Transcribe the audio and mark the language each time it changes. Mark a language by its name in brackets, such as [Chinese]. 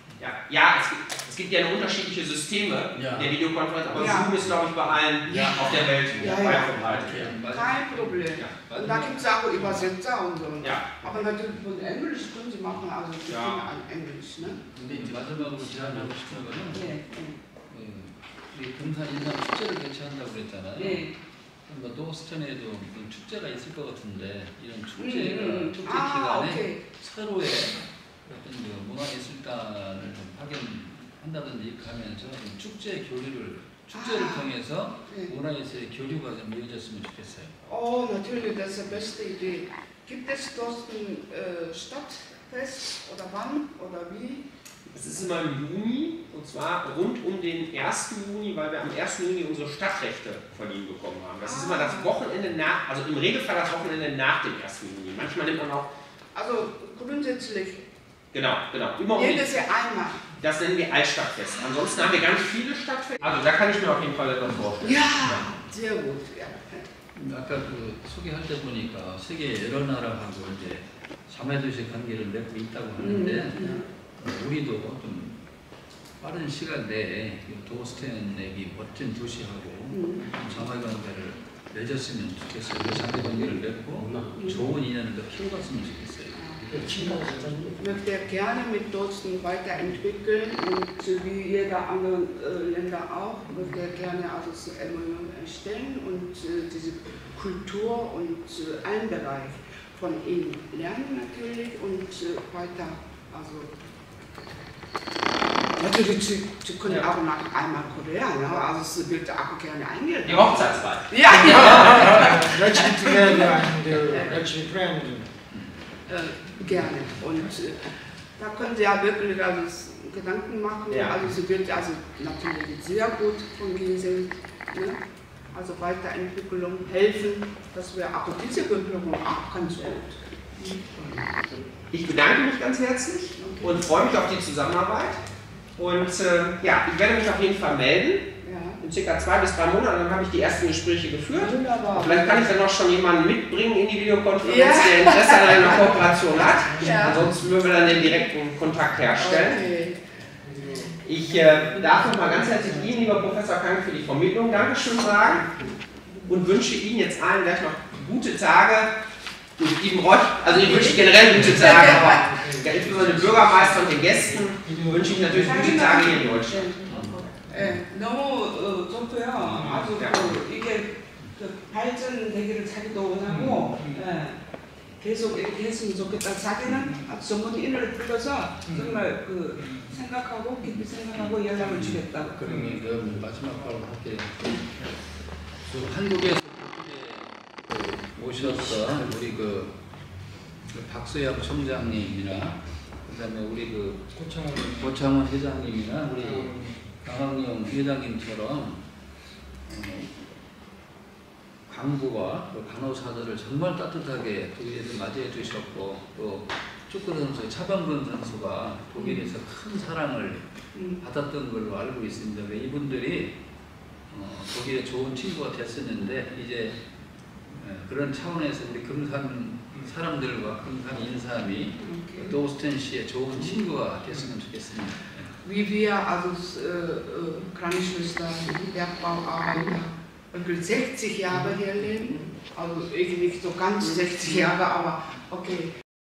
[German] Ja, ja es gibt ja eine unterschiedliche Systeme der Videokonferenz, aber Zoom ist, glaube ich, bei allen auf der Welt verbreitet. Kein Problem. Ja. Und da gibt es auch Übersetzer und so. Ja. Aber natürlich von Englisch können Sie machen, also Sie können an Englisch, ne? [Korean] 우리 금산인상 축제를 개최한다고 그랬잖아요. 네. 뭐 노스천에도 축제가 있을 것 같은데 이런 축제가 축제 기간에 서로의 어떤 그 문화예술단을 좀 파견한다든지 하면서 축제 교류를 축제를 통해서 문화예술의 교류가 좀 이어졌으면 좋겠어요. [German] 어, natürlich, das ist die beste Idee. Gibt es dort ein Stadtfest oder wann oder wie? Es ist immer im Juni, und zwar rund um den 1. Juni, weil wir am 1. Juni unsere Stadtrechte von Ihnen bekommen haben. Das ist immer das Wochenende nach, also im Regelfall das Wochenende nach dem 1. Juni. Manchmal nimmt man auch... Also grundsätzlich. Genau, genau. Immer jedes Jahr einmal. Das nennen wir Altstadtfest. Ansonsten haben wir ganz viele Stadtfeste. Also da kann ich mir auf jeden Fall etwas vorstellen. Ja, sehr gut. Ja. [Korean] 아까 그 소개할 때 보니까 세계 여러 나라하고 이제 자매도시 관계를 맺고 있다고 하는데 우리도 좀 빠른 시간 내에 도스텐의 멋진 도시하고 자매관계를 맺었으면 좋겠어요. 자매관계를 맺고 좋은 인연을 더 키워갔으면 좋겠어요. [German] Ich möchte gerne mit Dosen weiterentwickeln und wie jeder andere Länder auch, möchte gerne also das MMM erstellen und diese Kultur und allen Bereich von ihnen lernen natürlich und weiter, also natürlich, Sie können auch noch einmal Korea, ne? Also es wird auch gerne eingeladen. Die Hochzeitsfeier. Ja, ja. [English] Let's be together and let's be friends. [German] Gerne. Und da können Sie ja wirklich also Gedanken machen. Ja. Also sie wird also natürlich sehr gut von Ginseng. Ne? Also Weiterentwicklung helfen, dass wir auch diese Bevölkerung auch ganz gut. Ich bedanke mich ganz herzlich und freue mich auf die Zusammenarbeit. Und ich werde mich auf jeden Fall melden. In circa 2 bis 3 Monaten, dann habe ich die ersten Gespräche geführt. Wunderbar. Vielleicht kann ich dann auch schon jemanden mitbringen in die Videokonferenz, der Interesse an einer Kooperation hat. Ja. Ansonsten würden wir dann den direkten Kontakt herstellen. Okay. Ich darf nochmal ganz herzlich Ihnen, lieber Professor Kang, für die Vermittlung Dankeschön sagen und wünsche Ihnen jetzt allen gleich noch gute Tage. Und Ihnen Roch, also ich wünsche generell gute Tage, aber insbesondere den Bürgermeister und den Gästen wünsche ich natürlich gute Tage hier in Deutschland. [Korean] 네, 너무 좋고요. 아주 이게 그 발전되기를 자기도 원하고 계속 이렇게 했으면 좋겠다. 자기는 전문 인을 불러서 정말 그 생각하고 깊이 생각하고 연락을 주겠다. 그러면 그 마지막 바로 할게. 그 한국에서 모셨던 우리 그 박수혁 총장님이나 그다음에 우리 그 고창원 회장님이나 우리 강학용 회장님처럼 광부와 간호사들을 정말 따뜻하게 맞이해 주셨고 또 축구 선수의 차병근 선수가 독일에서 큰 사랑을 받았던 걸로 알고 있습니다. 왜 이분들이 독일에 좋은 친구가 됐었는데 이제 그런 차원에서 우리 금산 사람들과 금산 인삼이 도스텐 씨의 좋은 친구가 됐으면 좋겠습니다. [German] Wie wir als Krankenschwestern Bergbauarbeiter wirklich 60 Jahre hier leben, also ich nicht so ganz 60 Jahre, aber okay,